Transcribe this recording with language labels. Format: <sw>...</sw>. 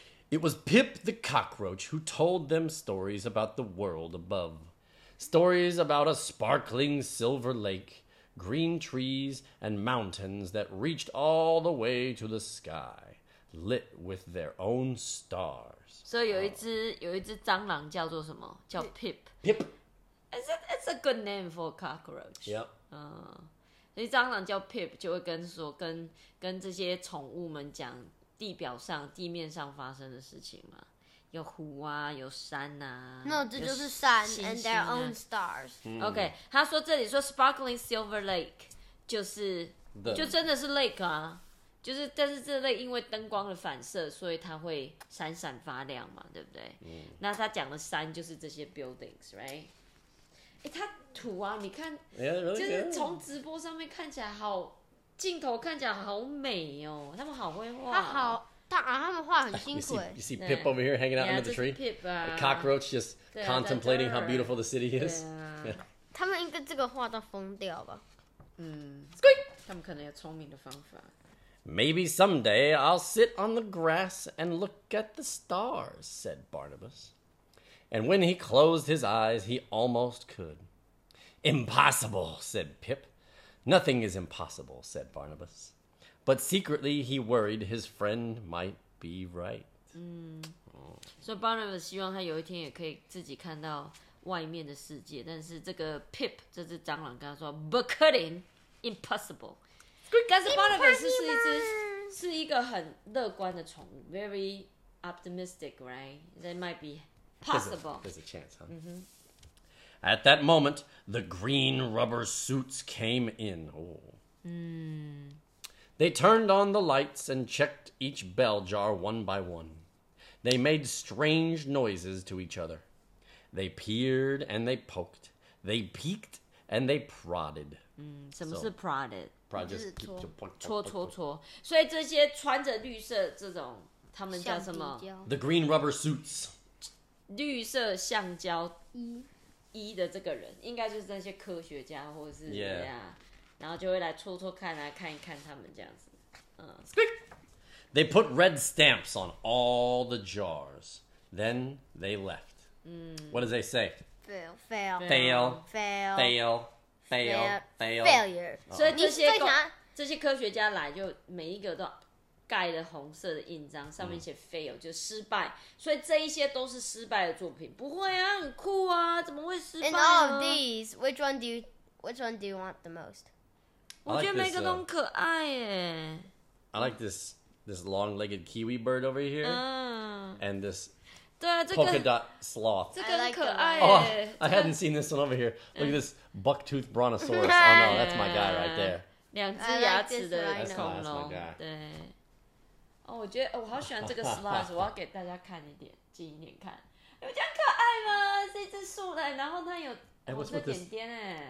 <en>It was Pip the cockroach who told them stories about the world above. Stories about a sparkling silver lake, green trees, and mountains that reached all the way to the sky, lit with their own stars.</en> <zh>So 有一只蟑螂叫做什么？叫 Pip.</zh> <en>Pip. It's a good name for a cockroach. Yep.</en> <zh>所以蟑螂叫 Pip 就会跟这些宠物们讲地面上发生的事情嘛，有湖啊，有山啊。</zh> <en>No,</en> <zh>这就是山</zh> <en>and their own stars.</en> <zh>OK, 他说这里说</zh> <en>sparkling silver lake</en> <zh>就真的是 lake 啊，就是但是这 lake 因为灯光的反射，所以它会闪闪发亮嘛，对不对？那他讲的山就是这些 buildings,</zh> <en>right?</en> <zh>欸，它土啊，你看，</zh> <en>yeah, really、</en> <zh>就是从直播上面看起来好，镜头看起来好美哦。他们好会画，他们画很辛苦。</zh> <en>You see Pip over here hanging out under the tree.</en> <zh>Pip 啊</zh> <en>，a cockroach just contemplating how beautiful the city is.</en> <zh>他们应该这个画到疯掉吧？他们可能有聪明的方法。</zh> <en>Maybe someday I'll sit on the grass and look at the stars," said Barnabus. And when he closed his eyes, he almost could. Impossible, said Pip. Nothing is impossible, said Barnabus. But secretly, he worried his friend might be right.</en> <zh>So Barnabus 希望他有一天也可以自己看到外面的世界。但是这个 Pip, 这只蟑螂跟他说 ,</zh> <en>But couldn't, impossible.</en> <zh>但是 Barnabus 是一个很乐观的宠物 ,</zh> <en>very optimistic, right? They might be... There's a chance, huh? At that moment, the green rubber suits came in. They turned on the lights and checked each bell jar one by one. They made strange noises to each other. They peered and they poked. They peeked and they prodded.</en> <zh>什么是 prodded?</zh> <en>Prodded</en> <zh>就是戳戳戳。所以这些穿着绿色这种，他们叫什么？</zh> <en>The green rubber suits.</en> <zh>绿色橡胶衣的这个人，应该就是那些科学家或者是怎么样，然后就会来戳戳看啊，看一看他们这样子。</zh> <en>They put red stamps on all the jars, then they left. What does they say? Fail. Failure.</en> <zh>所以这些科学家来就每一个都盖的红色的印章，上面写 fail、嗯、就失败，所以这一些都是失败的作品。不会啊，很酷啊，怎么会失败呢？</zh> <en>And all of these, which one do you want the most?</en> <zh>我觉得每个都很可爱耶。</zh> <en>I like this long-legged kiwi bird over here、and this、</en> <zh>对啊、这个、</zh> <en>polka dot sloth.</en> <zh>这个很可爱耶。</zh> <en>I hadn't seen this one over here. Look at this buck-toothed brontosaurus. Oh no, that's my guy right there.</en> <zh>两只牙齿的恐龙、</zh> <en>like、</en> <zh>对。哦、我觉得、哦、我好喜欢这个 slash， 我要给大家看一点，近一点看，有这样可爱吗？是一只树懒，然后它有红色点点哎。</zh>